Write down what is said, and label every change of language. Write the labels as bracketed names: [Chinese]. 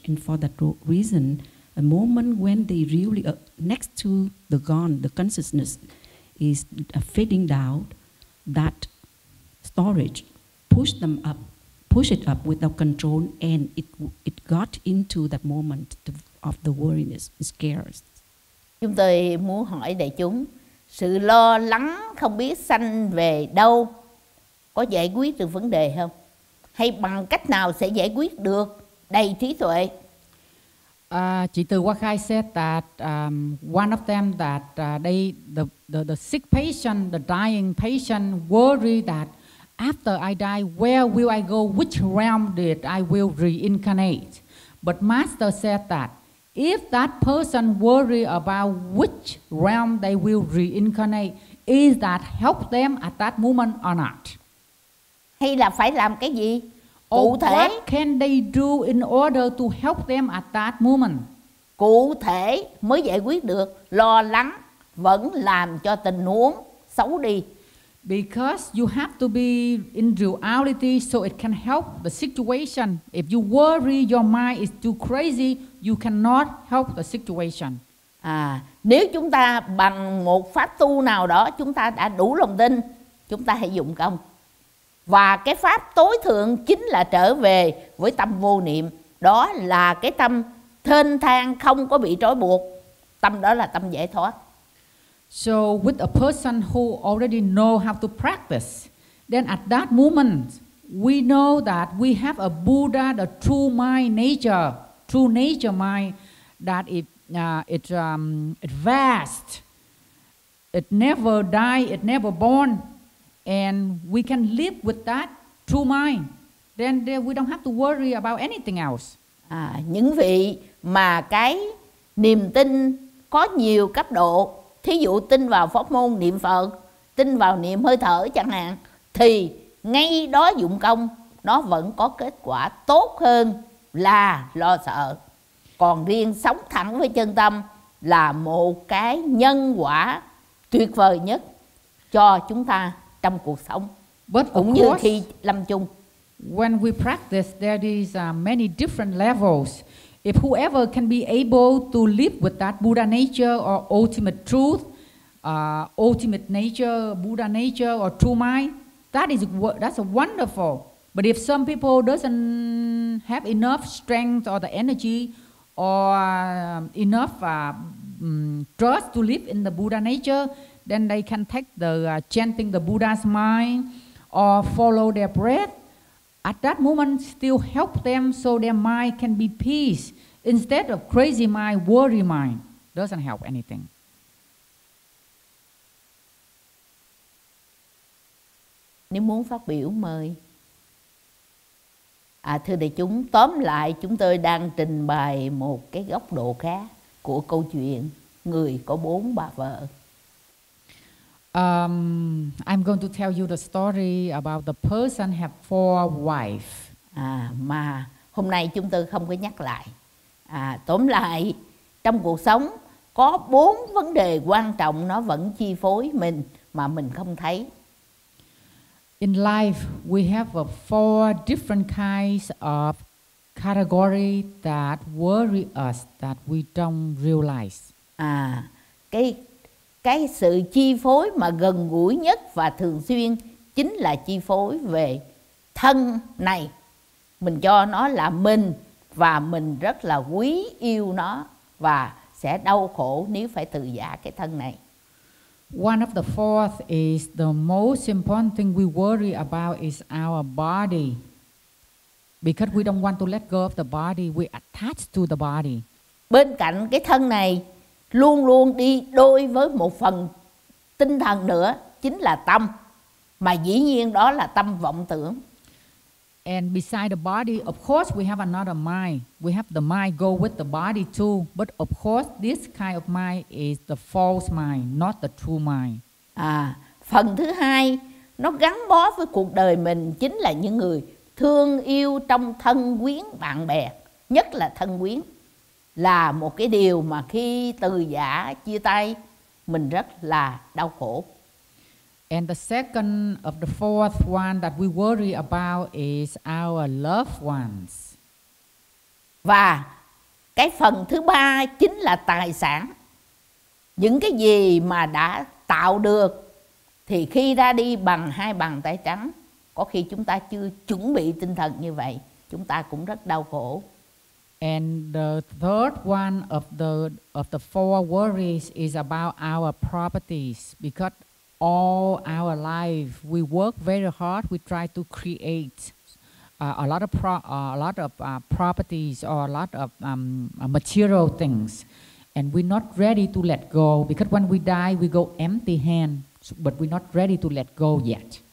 [English] And for that reason, a moment when they really next to the gone, the consciousness is fading down, that storage push it up without control, and it got into that moment of the worryness and scares. [Vietnamese] Chúng tôi muốn hỏi đại chúng, sự lo lắng không biết sanh về đâu có giải quyết được vấn đề không? Hay bằng cách nào sẽ giải quyết được đầy trí tuệ? [English] Chị Từ Hoa Khai said that one of them that they the sick patient, the dying patient worry that After I die, where will I go? Which realm did I will reincarnate? But Master said that if that person worry about which realm they will reincarnate, is that help them at that moment or not? [Vietnamese] Hay là phải làm cái gì cụ thể? [English] What can they do in order to help them at that moment? [Vietnamese] Cụ thể mới giải quyết được. Lo lắng vẫn làm cho tình huống xấu đi. [English] Because you have to be in reality so it can help the situation. If you worry your mind is too crazy, you cannot help the situation. [Vietnamese] À, nếu chúng ta bằng một pháp tu nào đó, chúng ta đã đủ lòng tin, chúng ta hãy dụng công. Và cái pháp tối thượng chính là trở về với tâm vô niệm. Đó là cái tâm thênh thang, không có bị trói buộc. Tâm đó là tâm giải thoát. [English] So with a person who already know how to practice, then at that moment, we know that we have a Buddha, the true nature mind, that it vast, it never die, it never born, and we can live with that true mind. Then we don't have to worry about anything else. [Vietnamese] À, những vị mà cái niềm tin có nhiều cấp độ, thí dụ tin vào pháp môn niệm Phật, tin vào niệm hơi thở chẳng hạn, thì ngay đó dụng công, nó vẫn có kết quả tốt hơn là lo sợ. Còn riêng sống thẳng với chân tâm là một cái nhân quả tuyệt vời nhất cho chúng ta trong cuộc sống. [English] But [Vietnamese] cũng [English] course, [Vietnamese] như khi lâm chung. [English] When we practice, there is many different levels. If whoever can be able to live with that Buddha nature or ultimate truth, ultimate nature, Buddha nature or true mind, that's wonderful. But if some people doesn't have enough strength or the energy or enough trust to live in the Buddha nature, then they can take the chanting the Buddha's mind or follow their breath. At that moment, still help them so their mind can be peace. Instead of crazy mind, worry mind, doesn't help anything. [Vietnamese] Nếu muốn phát biểu, mời. À, thưa đại chúng, tóm lại, chúng tôi đang trình bày một cái góc độ khác của câu chuyện người có bốn bà vợ. [English] I'm going to tell you the story about the person have four wives. [Vietnamese] À, mà hôm nay chúng tôi không có nhắc lại. À, tóm lại, trong cuộc sống có bốn vấn đề quan trọng nó vẫn chi phối mình mà mình không thấy. [English] In life, we have four different kinds of category that worry us that we don't realize. [Vietnamese] À, cái sự chi phối mà gần gũi nhất và thường xuyên chính là chi phối về thân này. Mình cho nó là mình và mình rất là quý yêu nó và sẽ đau khổ nếu phải từ giã cái thân này. [English] One of the fourth is the most important thing we worry about is our body. Because we don't want to let go of the body, we attach to the body. [Vietnamese] Bên cạnh cái thân này luôn luôn đi đôi với một phần tinh thần nữa, chính là tâm. Mà dĩ nhiên đó là tâm vọng tưởng. [English] And beside the body, of course, we have another mind. We have the mind go with the body too. But of course, this kind of mind is the false mind, not the true mind. [Vietnamese] À, phần thứ hai, nó gắn bó với cuộc đời mình chính là những người thương yêu trong thân quyến bạn bè, nhất là thân quyến. Là một cái điều mà khi từ giã chia tay, mình rất là đau khổ. [English] And the second of the fourth one that we worry about is our loved ones. [Vietnamese] Và cái phần thứ ba chính là tài sản. Những cái gì mà đã tạo được thì khi ra đi bằng hai bàn tay trắng, có khi chúng ta chưa chuẩn bị tinh thần như vậy, chúng ta cũng rất đau khổ. [English] And the third one of the four worries is about our properties, because all our life we work very hard, we try to create a lot of properties or a lot of material things, and we're not ready to let go, because when we die we go empty hand, but we're not ready to let go yet.